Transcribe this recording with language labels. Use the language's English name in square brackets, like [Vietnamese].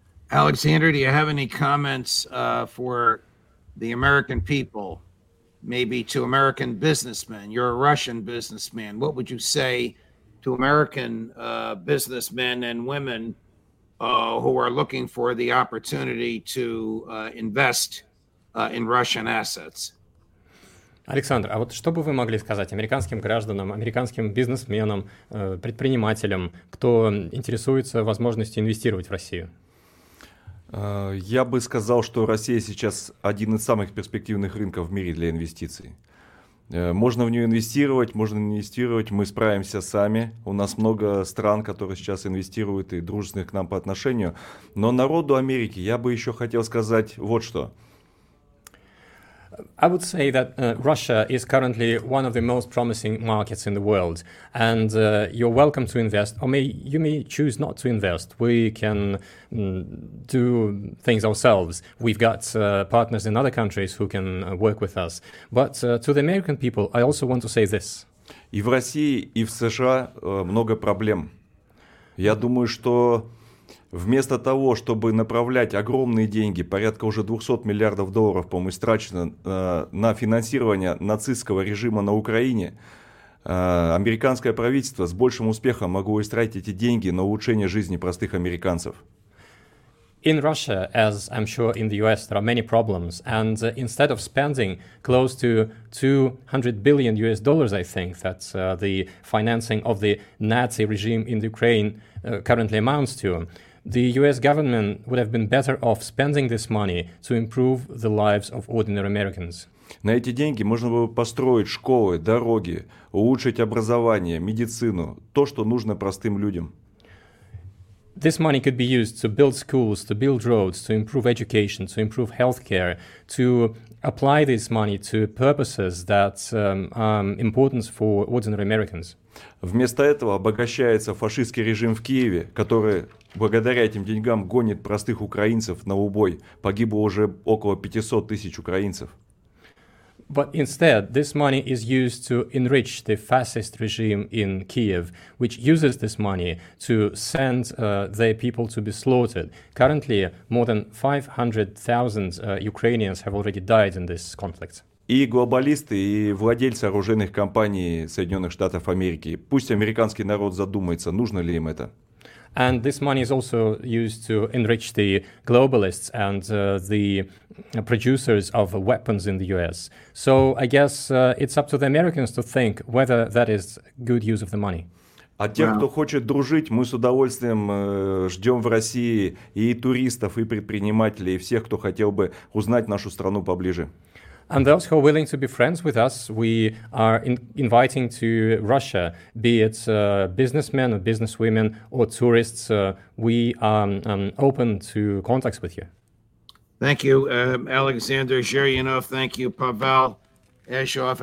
[English] Alexander, do you have any comments for the American people, maybe to American businessmen? You're a Russian businessman. What would you say to American businessmen and women who are looking for the opportunity to invest in Russian assets? [Russian] Александр, а вот что бы вы могли сказать американским гражданам, американским бизнесменам, предпринимателям, кто интересуется возможностью инвестировать в Россию? Я бы сказал, что Россия сейчас один из самых перспективных рынков в мире для инвестиций. Можно в нее инвестировать, можно инвестировать, мы справимся сами. У нас много стран, которые сейчас инвестируют и дружественны к нам по отношению. Но народу Америки я бы еще хотел сказать вот что. [English] I would say that Russia is currently one of the most promising markets in the world, and you're welcome to invest, or you may choose not to invest. We can do things ourselves. We've got partners in other countries who can work with us. But to the American people, I also want to say this. [Russian] И в России, и в США много проблем. Я думаю, что вместо того, чтобы направлять огромные деньги, порядка уже 200 миллиардов долларов, по-моему, истрачено на финансирование нацистского режима на Украине, американское правительство с большим успехом могло истратить эти деньги на улучшение жизни простых американцев. [English] In Russia, as I'm sure in the US, there are many problems. And instead of spending close to $200 billion, I think, that the financing of the Nazi regime in Ukraine currently amounts to, the US government would have been better off spending this money to improve the lives of ordinary Americans. [Russian] На эти деньги можно было построить школы, дороги, улучшить образование, медицину, то, что нужно простым людям. [English] This money could be used to build schools, to build roads, to improve education, to improve healthcare, to apply this money to purposes that important for ordinary Americans. [Russian] Вместо этого обогащается фашистский режим в Киеве, который благодаря этим деньгам гонит простых украинцев на убой. Погибло уже около 500 тысяч украинцев. [English] But instead, this money is used to enrich the fascist regime in Kyiv, which uses this money to send their people to be slaughtered. Currently, more than 500,000 Ukrainians have already died in this conflict. [Russian] И глобалисты, и владельцы оружейных компаний Соединенных Штатов Америки. Пусть американский народ задумается, нужно ли им это. [English] And this money is also used to enrich the globalists and the producers of weapons in the US. So I guess it's up to the Americans to think whether that is good use of the money. [Russian] А тех, кто хочет дружить, мы с удовольствием ждем в России и туристов, и предпринимателей, и всех, кто хотел бы узнать нашу страну поближе. [English] And those who are willing to be friends with us, we are inviting to Russia, be it businessmen or businesswomen or tourists, we are open to contacts with you. Thank you, Alexander Zhirinov. Thank you, Pavel Eshoff.